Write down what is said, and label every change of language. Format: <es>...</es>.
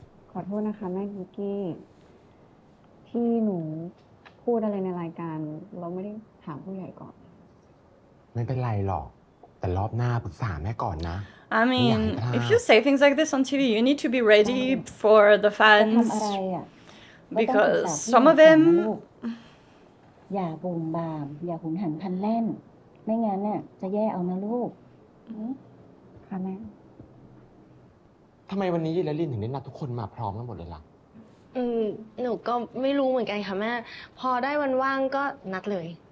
<th>ขอโทษนะคะแม่กิกกี้ที่หนูพูดอะไรในรายการเราไม่ได้ถามผู้ใหญ่ก่อน ไม่เป็นไรหรอกแต่รอบหน้าปรึกษาแม่ก่อนนะ</th> <en>I mean if you say things like this on TV you need to be ready for the fans because some of them</en> <th>อย่าบ่มบามอย่าหุนหันพันแล่นไม่งั้นน่ะจะแย่เอานะลูกค่ะแม่ ทำไมวันนี้ยีและลินถึงได้นัดทุกคนมาพร้อมกันหมดเลยล่ะ หนูก็ไม่รู้เหมือนกันค่ะแม่พอได้วันว่างก็นัดเลย</th>